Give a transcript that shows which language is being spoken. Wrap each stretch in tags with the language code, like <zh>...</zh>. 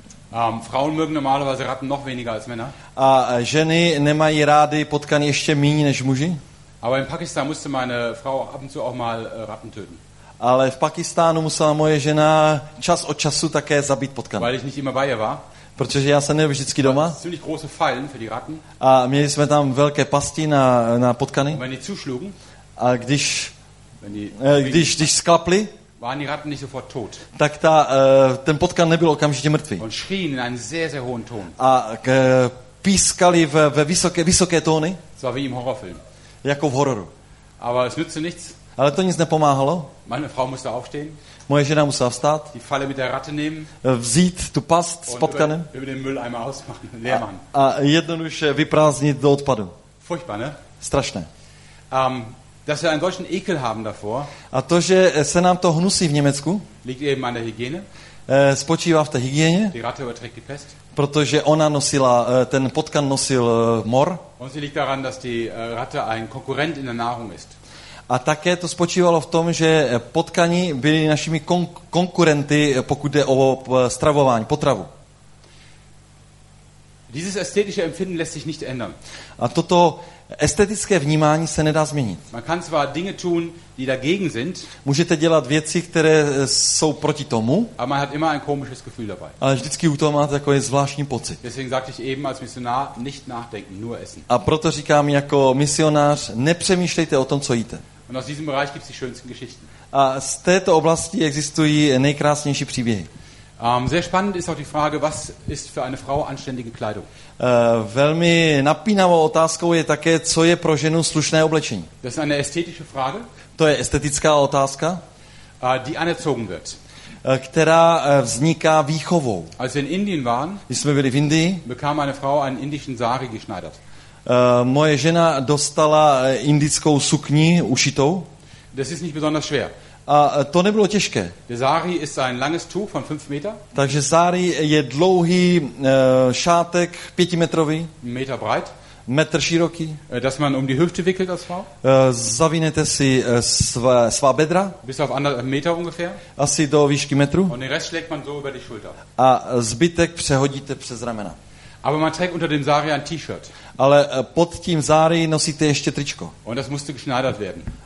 <de>Frauen mögen normalerweise Ratten noch weniger als Männer.</de> <cs>A ženy nemají rády potkany ještě méně než muži.</cs> <de>Aber in Pakistan musste meine Frau ab und zu auch mal Ratten töten.</de> <cs>Ale v Pakistánu musela moje žena čas od času také zabít potkany.</cs> <de>Weil ich nicht immer bei ihr war.</de> <cs>Protože já jsem nebyl vždycky doma.</cs> <de>Ziemlich große Fallen für die Ratten.</de> <cs>A měli jsme tam velké pasti na potkany.</cs> <de>Wenn die zuschlugen.</de> <cs>A když sklapli,</cs> <de>waren die Ratten nicht sofort tot.</de> <cs>Tak ten potkan nebyl okamžitě mrtvý.</cs> <de>Und schrien in einen sehr, sehr hohen Ton.</de> <cs>A pískali ve vysoké tóny.</cs> <de>Das war wie im Horrorfilm.</de> <cs>Jako v hororu.</cs> <de>Aber es nützte nichts.</de> <cs>Ale to nic nepomáhalo.</cs> <de>Meine Frau musste aufstehen.</de> <cs>Moje žena musela vstát.</cs> <de>Die Falle mit der Ratte nehmen.</de> <cs>Vzít tu past s potkanem.</cs> <de>Über den Mülleimer ausmachen, leer machen.</de> <cs>A jednoduše vyprázdnit do odpadu.</cs> <de>Furchtbar, ne?</de> <cs>Strašné.</cs> <de>Dass wir einen solchen Ekel haben davor.</de> <cs>A to, že se nám to hnusí v Německu.</cs> <de>Liegt eben an der Hygiene.</de> <cs>Spočívá v té hygieně.</cs> <de>Die Ratte überträgt die Pest.</de> <cs>Protože ona nosila ten potkan nosil mor.</cs> <de>Und sie liegt daran, dass die Ratte ein Konkurrent in der Nahrung ist.</de> <cs>A také to spočívalo v tom, že potkani byli našimi konkurenty, pokud jde o stravování, potravu.</cs> <de>Dieses ästhetische Empfinden lässt sich nicht ändern.</de> <cs>A toto estetické vnímání se nedá změnit.</cs> <de>Man kann zwar Dinge tun, die dagegen sind,</de> <cs>můžete dělat věci, které jsou proti tomu,</cs> <de>aber man hat immer ein komisches Gefühl dabei.</de> <cs>Ale vždycky u toho máte takový zvláštní pocit.</cs> <de>Deswegen sagte ich eben als Missionar, nicht nachdenken, nur essen.</de> <cs>A proto říkám jako misionář, nepřemýšlejte o tom, co jíte.</cs> <de>Und aus diesem Bereich gibt's die schönsten Geschichten.</de> <cs>A z této oblasti existují nejkrásnější příběhy.</cs> <de>Sehr spannend ist auch die Frage, was ist für eine Frau anständige Kleidung?</de> <cs>Velmi napínavou otázkou je také, co je pro ženu slušné oblečení.</cs> <de>Das ist eine ästhetische Frage.</de> <cs>To je estetická otázka.</cs> <de>Die anerzogen wird.</de> <cs>Která vzniká výchovou.</cs> <de>Als wir in Indien waren,</de> <cs>když jsme byli v Indii,</cs> <de>bekam eine Frau einen indischen Sari geschneidert.</de> <cs>Moje žena dostala indickou sukni ušitou.</cs> <de>Das ist nicht besonders schwer.</de> <cs>A to nebylo těžké.</cs> <de>Der Sari ist ein langes Tuch von 5 Meter.</de> <cs>Takže sari je dlouhý šátek 5metrový.</cs> <de>Meter breit.</de> <cs>Metr široký.</cs> <de>Dass man um die Hüfte wickelt als Frau.</de> <cs>Zavinete si svá bedra.</cs> <de>Bis auf 1 Meter ungefähr.</de> <cs>Asi do výšky metru.</cs> <de>Und den Rest schlägt man so über die Schulter.</de> <cs>A zbytek přehodíte přes ramena.</cs> <de>Aber man trägt unter dem Sari ein T-Shirt.</de> <cs>Ale pod tím sari nosíte ještě tričko.</cs> <de>Und das musste geschneidert werden.</de>